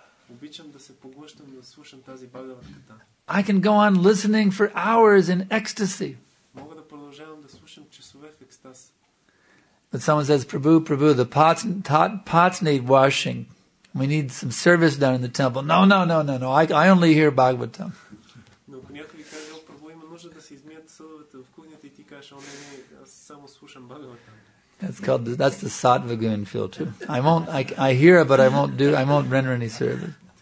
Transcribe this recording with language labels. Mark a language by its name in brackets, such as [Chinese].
[Bulgarian] Обичам да се поглъщам да слушам тази Бхагаватгита. [English] I can go on listening for hours in ecstasy. [Bulgarian] Мога да продължавам да слушам часове в екстаз. [English] But someone says, Prabhu, Prabhu, the pots need washing. We need some service done in the temple. No, no, no, no, no. I only hear Bhagavatam. [Bulgarian] Но някой каже, о, Прабху, има нужда да се измият съдовете в кухнята и ти кажеш, о, не, не, аз само слушам Бхагаватам. [English] That's the sattva goon field too. I hear it, but I won't do. I won't render any service.